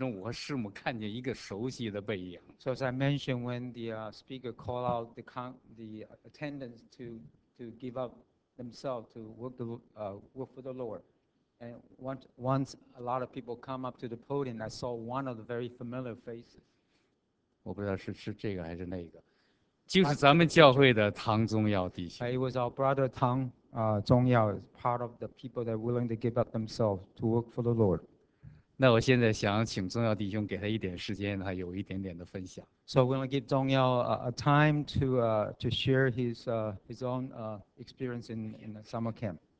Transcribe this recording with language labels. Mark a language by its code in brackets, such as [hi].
[zh] 所以我说，当那个讲员呼召说谁愿意在自己的工作岗位上献身做主门徒的时候，在纷纷走上前台的人群中，我和师母看见一个熟悉的背影。 [en] So as I mentioned, when the speaker called out the attendants to give up themselves to work for the Lord. And once a lot of people come up to the podium, I saw one of the very familiar faces. [zh] 我不知道是这个还是那个，就是咱们教会的唐宗耀弟兄。 [en] It was our brother Tang Zhongyao, part of the people that are willing to give up themselves to work for the Lord. [zh] 那我现在想请宗耀弟兄给他一点时间，他有一点点的分享。 [en] So I'm going to give Zhongyao a time to share his own experience in the summer camp.